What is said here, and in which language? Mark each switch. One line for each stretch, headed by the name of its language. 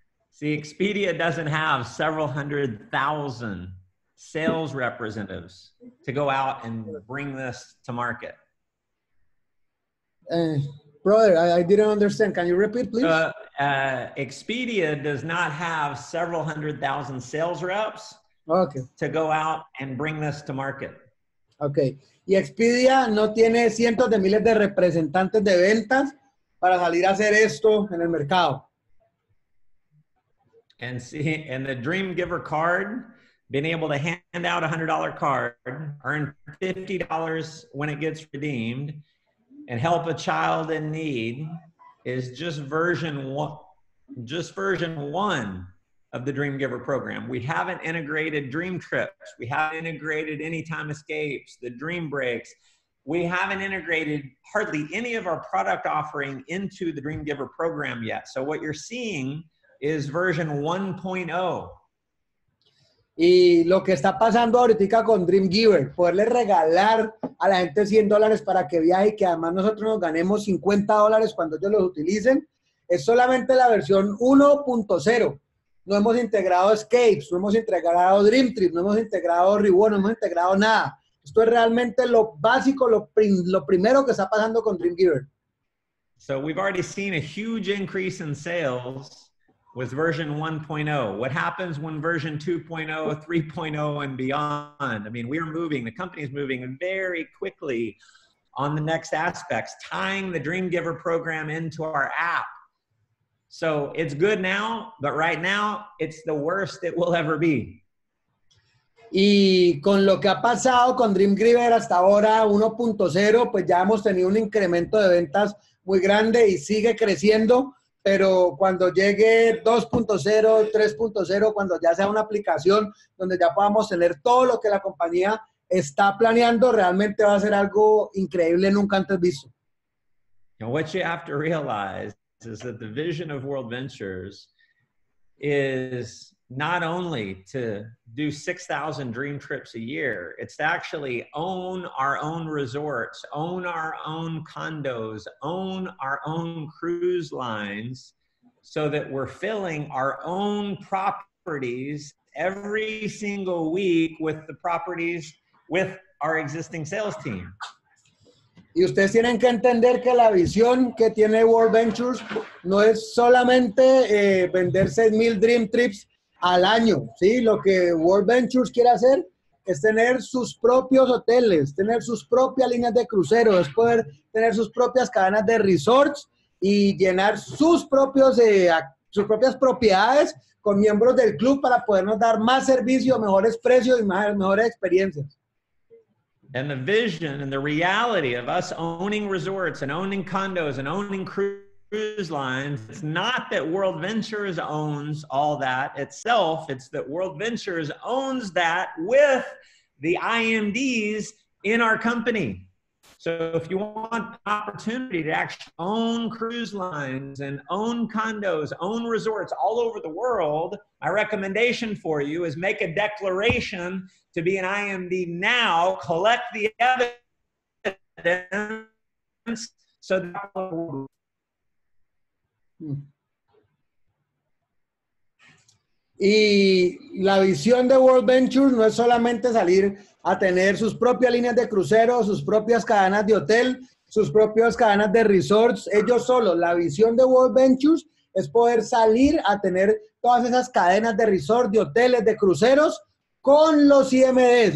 English: See, Expedia doesn't have several hundred thousand sales representatives to go out and bring this to market. Brother, I didn't understand. Can you repeat, please? Expedia does not have several hundred thousand sales reps to go out and bring this to market. Okay.
Spanish: Y Expedia no tiene cientos de miles de representantes de ventas para salir a hacer esto en el mercado.
English: And see, and the Dreamgiver card, being able to hand out a $100 card, earn $50 when it gets redeemed, and help a child in need is just version one of the Dreamgiver program. We haven't integrated Dream Trips. We haven't integrated Anytime Escapes, the Dream Breaks. We haven't integrated hardly any of our product offering into the Dreamgiver program yet. So what you're seeing is version 1.0.
Spanish: Y lo que está pasando ahorita con Dreamgiver, poderle regalar a la gente $100 para que viaje y que además nosotros nos ganemos $50 cuando ellos los utilicen, es solamente la versión 1.0. No hemos integrado Escapes, no hemos integrado Dream Trip, no hemos integrado Reward, no hemos integrado nada. Esto es realmente lo básico, lo primero que está pasando con Dreamgiver.
English: So we've already seen a huge increase in sales with version 1.0. What happens when version 2.0, 3.0 and beyond? I mean, we are moving, the company is moving very quickly on the next aspects, tying the Dreamgiver program into our app. So it's good now, but right now it's the worst it will ever be.
Spanish: Y con lo que ha pasado con Dreamgiver hasta ahora 1.0, pues ya hemos tenido un incremento de ventas muy grande y sigue creciendo, pero cuando llegue 2.0, 3.0, cuando ya sea una aplicación donde ya podamos tener todo lo que la compañía está planeando, realmente va a ser algo increíble nunca antes visto.
English: Now what you have to realize is that the vision of World Ventures is not only to do 6,000 dream trips a year, it's to actually own our own resorts, own our own condos, own our own cruise lines, so that we're filling our own properties every single week with the properties with our existing sales team.
Spanish: Y ustedes tienen que entender que la visión que tiene World Ventures no es solamente vender 6,000 Dream Trips al año, ¿sí? Lo que World Ventures quiere hacer es tener sus propios hoteles, tener sus propias líneas de crucero, es poder tener sus propias cadenas de resorts y llenar sus propias propiedades con miembros del club para podernos dar más servicio, mejores precios y mejores experiencias.
English: And the vision and the reality of us owning resorts and owning condos and owning cruise lines, it's not that World Ventures owns all that itself. It's that World Ventures owns that with the IMDs in our company. So if you want the opportunity to actually own cruise lines and own condos, own resorts all over the world, my recommendation for you is make a declaration to be an IMD now, collect the evidence so that
Spanish: Y la visión de World Ventures no es solamente salir a tener sus propias líneas de crucero, sus propias cadenas de hotel, sus propias cadenas de resorts, ellos solo. La visión de World Ventures es poder salir a tener todas esas cadenas de resort, de hoteles, de cruceros con los IMDs.